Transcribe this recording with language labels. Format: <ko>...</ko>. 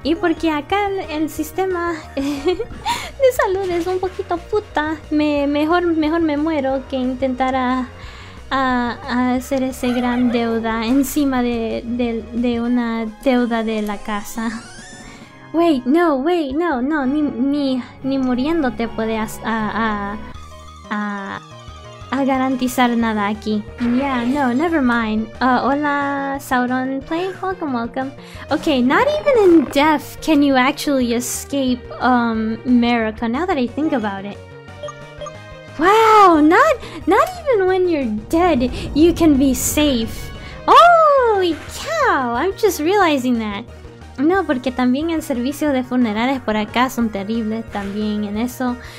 <es>Y porque acá el sistema de salud es un poquito puta, mejor me muero que intentar a hacer ese gran deuda encima de una deuda de la casa. Wait, no, ni muriéndote puedes a garantizar nada aquí.</es> <en>Yeah, no, never mind. Hola, Sauron Play, welcome, welcome. Okay, not even in death can you actually escape America, now that I think about it. Wow, not even when you're dead you can be safe. Holy cow, I'm just realizing that.</en> <es>No, porque también el servicio de funerales por acá son terribles también en eso.</es>